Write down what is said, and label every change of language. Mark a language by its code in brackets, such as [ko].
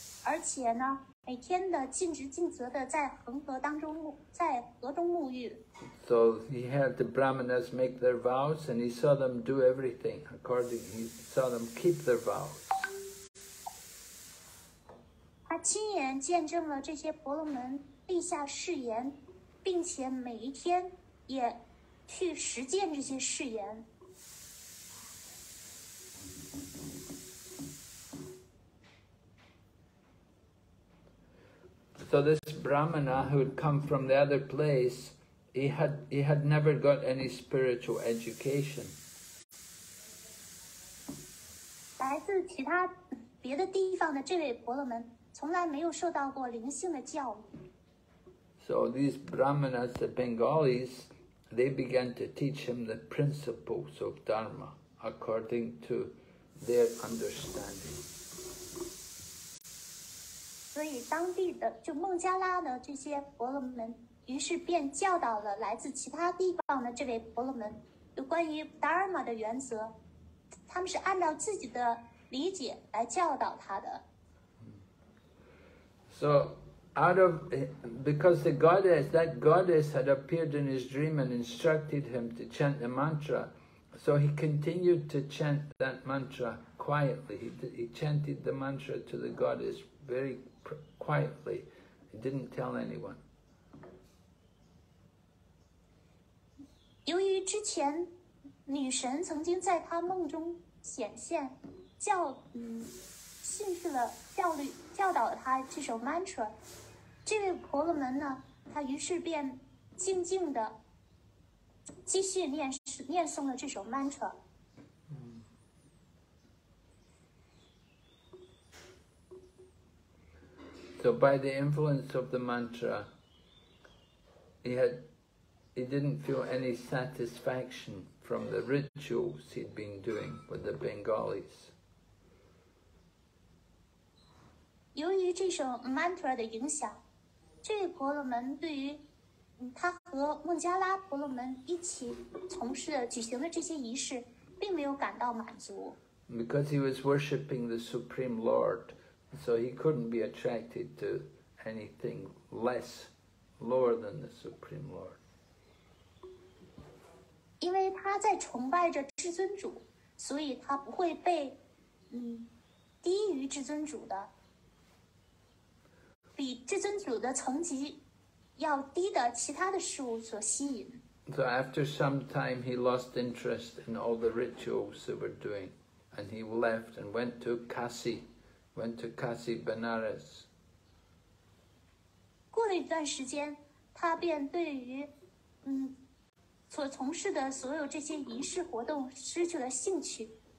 [zh] 而且呢，每天的尽职尽责的在河中沐浴。 [en] So he heard the Brahmanas make their vows, and he saw them do everything according. He saw them keep their vows. [zh] 他亲眼见证了这些婆罗门立下誓言，并且每一天也去实践这些誓言。 [en] So this Brahmana who had come from the other place, he had never got any spiritual education. [zh] 来自其他别的地方的这位婆罗门从来没有受到过灵性的教育。 [en] So these Brahmanas, the Bengalis, they began to teach him the principles of Dharma according to their understanding. [zh] 所以当地的就孟加拉的这些婆罗门于是便教导了来自其他地方的这位婆罗门有关于 Dharma 的原则，他们是按照自己的理解来教导他的。 [en] So out of, because the goddess, that goddess had appeared in his dream and instructed him to chant the mantra, so he continued to chant that mantra quietly. He chanted the mantra to the goddess very quietly, he didn't tell anyone. [zh] 由于之前女神曾经在他梦中显现，教导了他这首 mantra， 这位婆罗门呢，他于是便静静的继续念诵了这首 mantra。 [en] So by the influence of the mantra, he didn't feel any satisfaction from the rituals he'd been doing with the Bengalis. [zh] 由于这首 mantra 的影响，这位婆罗门对于他和孟加拉婆罗门一起从事举行的这些仪式，并没有感到满足。 [en] Because he was worshipping the Supreme Lord, so he couldn't be attracted to anything less, lower than the Supreme Lord. [zh] 因为他在崇拜着至尊主，所以他不会被低于至尊主的，比至尊主的层级要低的其他的事物所吸引。 [en] So after some time, he lost interest in all the rituals they were doing. And he left and went to Kasi Benares. [zh] 过了一段时间，他便对于所从事的所有这些仪式活动失去了兴趣。